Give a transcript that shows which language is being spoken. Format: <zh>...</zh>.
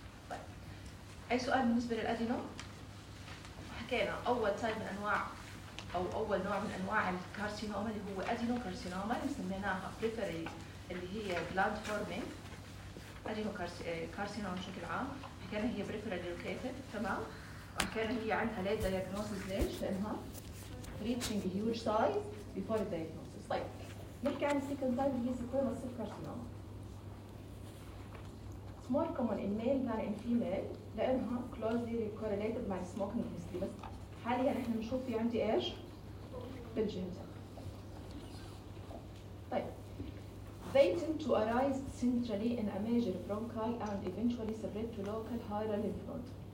<ar>طيب اي سؤال بالنسبه للادينو؟ حكينا اول تايب من انواع او اول نوع من انواع الكارسينوما اللي هو ادينوكارسينوما، اللي سميناها بريفري اللي هي بلاند فورمينج ادينوكارسينوما بشكل عام، حكينا هي بريفري لوكيتد، تمام؟ وحكينا هي عندها ليت دياجنوسيس، ليش؟ لانها ريتشينج هيوج سايز بيفور دياجنوسيس. طيب نحكي عن السيكند تايب اللي هي سيكويمال سيل كارسينوما.</ar> <en>It's more common in male than in female</en> <ar>لأنها</ar> <en>closely correlated</en> <ar>مع</ar> <en>smoking history.</en> <ar>بس حاليا احنا نشوف في عندي ايش؟ بالجينتك.</ar> <en>They tend to arise centrally in a major bronchi and eventually spread to local hilar lymph nodes.</en>